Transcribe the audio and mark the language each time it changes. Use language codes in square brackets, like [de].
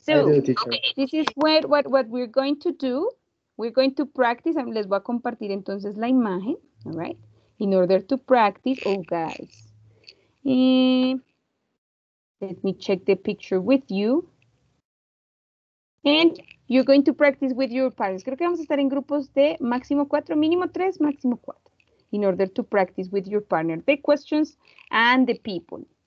[en] So, this is what we're going to do. We're going to practice. [es] Les voy a compartir entonces la imagen. [en] All right. In order to practice. Oh, guys. Let me check the picture with you. And you're going to practice with your partners. [es] Creo que vamos a estar en grupos de máximo cuatro, mínimo tres, máximo cuatro. [en] In order to practice with your partner, the questions and the people.